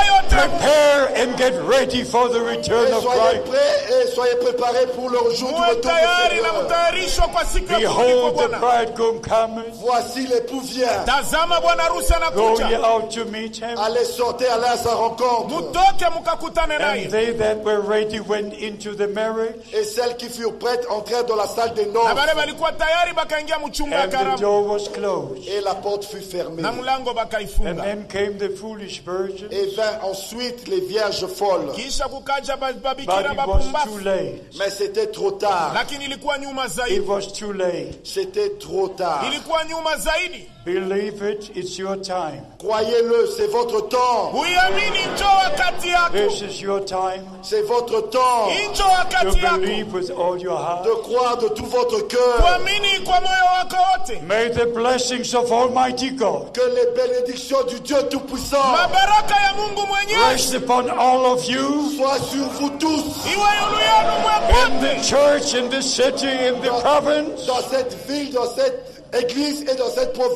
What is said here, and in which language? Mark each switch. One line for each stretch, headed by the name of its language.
English: Prepare and get ready for the return of Christ.
French: Soyez prêts et soyez préparés pour le jour du retour du Seigneur.
English: Behold the bridegroom coming.
French: Voici l'époux vient.
Swahili: Tazama Bwana arusi anakuja.
English: To meet him.
French: Allez sortir, allez à sa rencontre.
English: And they that were ready went into the marriage.
French: Et celles qui furent prêtes entrèrent dans la salle des noces.
English: And the door was closed.
French: Et la porte fut fermée.
English: And then came the foolish virgins.
French: Et vinrent ensuite les vierges folles.
English: But it was too late.
French: Mais c'était trop tard.
English: It was too late.
French: C'était trop tard.
Swahili: Ilikuwa nyuma zaidi.
English: Believe it, it's your time.
French: Croyez-le, c'est votre temps.
English: This is your time.
French: C'est votre temps.
English: To believe with all your heart.
French: De croire de tout votre cœur.
English: May the blessings of Almighty God.
French: Que les bénédictions du Dieu Tout-Puissant.
Swahili: Mabaraka ya Mungu mwenyewe.
English: Rest upon all of you.
French: Soit sur vous tous.
English: In the church, in the city, in the province.
French: Dans cette ville, dans cette Église et dans cette province.